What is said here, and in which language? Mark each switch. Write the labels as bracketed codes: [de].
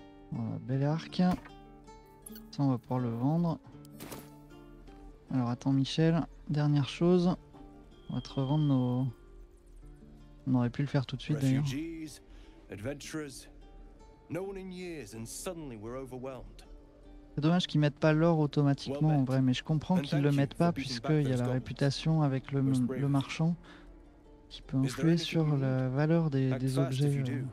[fr] Voilà, bel arc. Ça, on va pouvoir le vendre. Alors, attends, Michel. Dernière chose. On va te revendre nos... On aurait pu le faire tout de suite, d'ailleurs. Réfugiés, adventurers. [en] No one in years, and suddenly we're overwhelmed. [fr] C'est dommage qu'ils mettent pas l'or automatiquement, en vrai. Mais je comprends qu'ils le mettent pas, puisqu'il y a la réputation avec le marchand qui peut influer sur la valeur des objets.